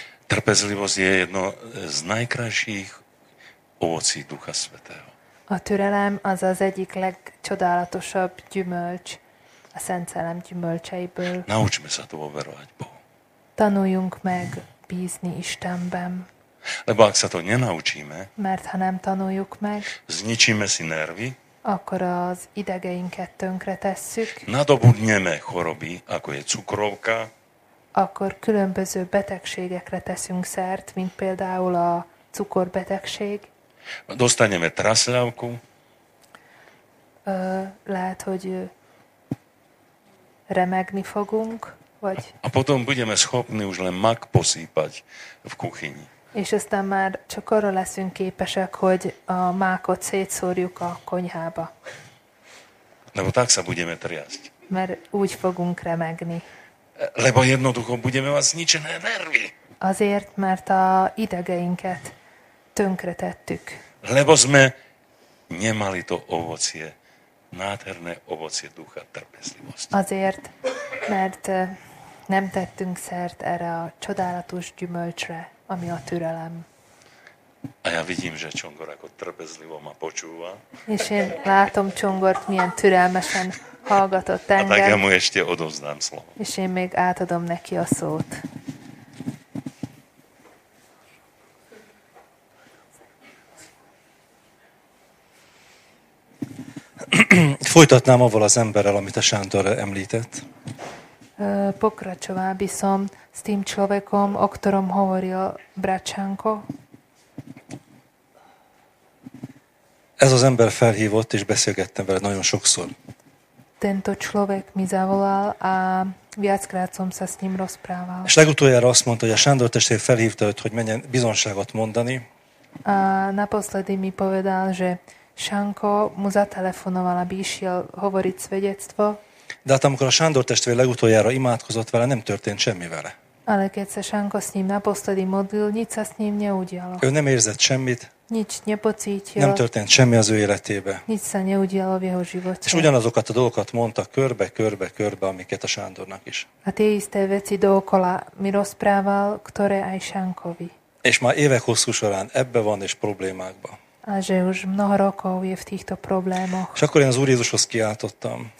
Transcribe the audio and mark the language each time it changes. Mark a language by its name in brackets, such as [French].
[Slovak] Trpezlivosť je jedno z najkrajších ovocí Ducha Svätého. [Hungarian] A türelem az az egyik legcsodálatosabb gyümölcs a Szent Szellem gyümölcseiből. [Slovak] Naučme sa dôverovať Bohu. [Hungarian] Tanuljunk meg bízni Istenben. [Slovak] Lebo ak sa to nenaučíme, [Hungarian] mert ha nem tanuljuk meg, [Slovak] zničíme si nervy, [Hungarian] akkor az idegeinket tönkre tesszük, [Slovak] nadobudneme choroby, ako je cukrovka, [Hungarian] akkor különböző betegségekre teszünk szert, mint például a cukorbetegség. [Slovak] Dostaneme traslávku. [Hungarian] Lehet, hogy remegni fogunk, vagy... [Slovak] A potom budeme schopni už len mak posípať v kuchyni. [Hungarian] És aztán már csak arra leszünk képesek, hogy a mákot szétszórjuk a konyhába. [Slovak] Lebo tak sa budeme triasť. [Hungarian] Mert úgy fogunk remegni. [Slovak] Lebo jednoducho budeme mať zničené nervy. [Hungarian] Azért, mert a idegeinket tönkretettük. [Slovak] Lebo sme nemali to ovocie, nádherné ovocie ducha trpezlivosti. [Hungarian] Azért, mert nem tettünk szert erre a csodálatos gyümölcsre, ami a türelem. [Slovak] A ja vidím, že Csongor ako trpezlivo ma počúva. [Hungarian] És én látom Csongort, milyen türelmesen hallgatott engem. [Slovak] A tak ja mu ešte odovzdám slovo. [Hungarian] És én még átadom neki a szót. folytatnám avval az emberrel, amit a Sándor említett. [Slovak] Pokračoval by som s tým človekom, o ktorom hovoril Bratčanko. [Hungarian] Ez az ember felhívott, és beszélgettem vele nagyon sokszor. [Slovak] Tento človek mi zavolal a viackrát som sa s ním rozprával. [Hungarian] És legutoljára azt mondta, hogy a Sándor testvér felhívta őt, hogy menjen bizonságot mondani. [Slovak] A naposledy mi povedal, že Sanko mu zatelefonoval, aby išiel hovoriť svedectvo. [Hungarian] De hát amikor a Sándor testvér legutoljára imádkozott vele, nem történt semmi vele. [Slovak] Ale keď sa Sanko s ním naposledy modlil, nic sa s ním neudialo. [Hungarian] Ő nem érzett semmit. [Slovak] Nič nepocítil. [Hungarian] Nem történt semmi az ő életébe. [Slovak] Nic sa neudialo v jeho živote. [Hungarian] És ugyanazokat a dolgokat mondta körbe, körbe, körbe, amiket a Sándornak is. [Slovak] A tie isté veci dookola mi rozprával, ktoré aj Sankovi. [Hungarian] És már évek hosszú során ebbe van és problémákba. [Slovak] A že už mnoho rokov je v týchto problémoch. [Hungarian] És akkor én az Úr Jézushoz kiáltottam.